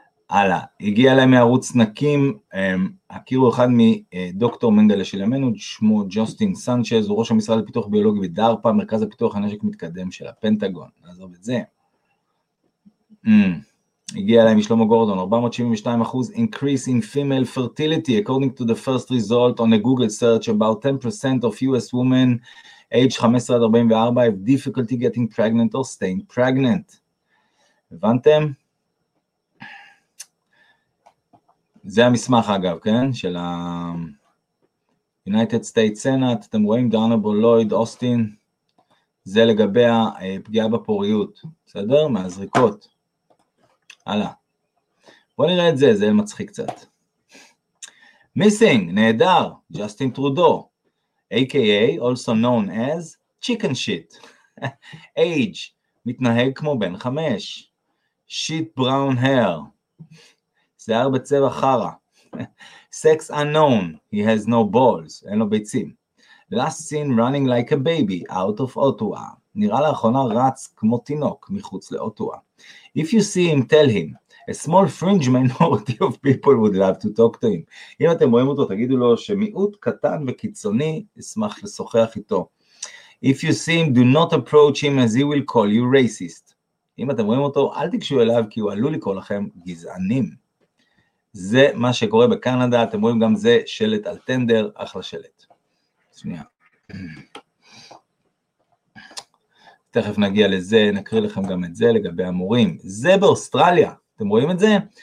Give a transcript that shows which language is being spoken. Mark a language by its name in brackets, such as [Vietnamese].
[Hebrew] הלאה, הגיע אליי מערוץ נקים, הכירו אחד מדוקטור מנדלה של ימינו, שמו ג'וסטין סנצ'ז, הוא ראש המשרד לפיתוח ביולוגי בדרפה, מרכז הפיתוח הנשק מתקדם של הפנטגון, נעזוב את זה. הגיע אליי משלמה גורדון, [English] 472% increase in female fertility, according to the first result on a Google search, about 10% of US women age 15-44 have difficulty getting pregnant or staying pregnant. [Hebrew] הבנתם? זה המסמך אגב, כן? של ה-United States Senate, אתם רואים, דונבל, לויד, אוסטין, זה לגבי הפגיעה בפוריות, בסדר? מהזריקות. הלאה. בוא נראה את זה, זה מצחיק קצת. Missing, נהדר, ג'וסטין טרודו, a.k.a. [English] also known as chicken shit. [Hebrew] Age, מתנהג כמו בן 5. [English] Shit brown hair. [Hebrew] שיער בצבע חרה. [English] Sex unknown, he has no balls, [Hebrew] אין לו ביצים. [English] Last seen running like a baby, out of Ottawa. [Hebrew] נראה לאחרונה רץ כמו תינוק מחוץ לאוטווה. [English] If you see him, tell him, a small fringe minority of people would love to talk to him. [Hebrew] אם אתם רואים אותו, תגידו לו שמיעוט קטן וקיצוני ישמח לשוחח איתו. [English] If you see him, do not approach him as he will call you racist. [Hebrew] אם אתם רואים אותו, אל תקשו אליו כי הוא עלול לקרוא לכם גזענים. זה מה שקורה בקנדה, אתם רואים גם זה שלט על טנדר, אחלה שלט. שנייה. תכף נגיע לזה, נקריא לכם גם את זה לגבי המורים. זה באוסטרליה, אתם רואים את זה?